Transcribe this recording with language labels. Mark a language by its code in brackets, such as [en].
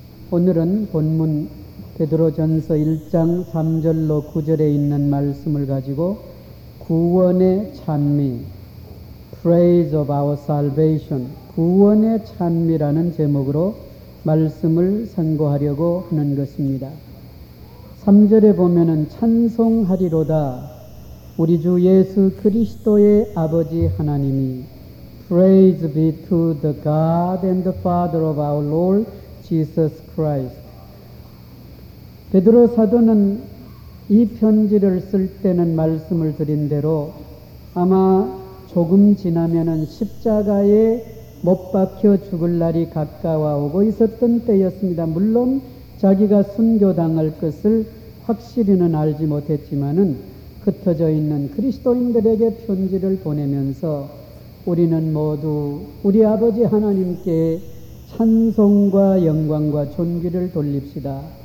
[ko] 오늘은 본문 베드로 전서 1장 3절로 9절에 있는 말씀을 가지고 구원의 찬미, [en] Praise of our Salvation, [ko] 구원의 찬미라는 제목으로 말씀을 선고하려고 하는 것입니다. 3절에 보면은 찬송하리로다, 우리 주 예수 그리스도의 아버지 하나님이, [en] Praise be to the God and the Father of our Lord Jesus Christ. [ko] 베드로 사도는 이 편지를 쓸 때는 말씀을 드린 대로 아마 조금 지나면은 십자가에 못 박혀 죽을 날이 가까워오고 있었던 때였습니다. 물론 자기가 순교당할 것을 확실히는 알지 못했지만은 흩어져 있는 그리스도인들에게 편지를 보내면서 우리는 모두 우리 아버지 하나님께 찬송과 영광과 존귀를 돌립시다.